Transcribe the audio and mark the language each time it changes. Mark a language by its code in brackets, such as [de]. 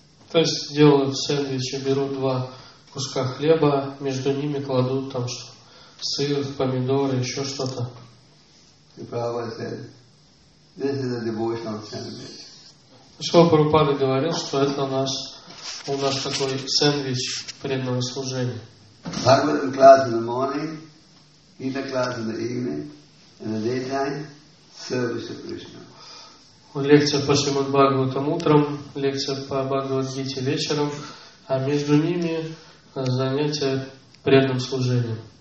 [ru] То есть делают сэндвич, берут два куска хлеба, между ними кладут там сыр, помидоры, еще что-то. Шрила Прабхупада говорил, что это у нас такой сэндвич преданного служения. [en] Bhagavatam class in the morning, Gita class in the evening, and in the daytime, service to Krishna. [ru] Лекция по Шримад Бхагаватам утром, лекция по Бхагавад Гите вечером, а между ними занятия преданным служением.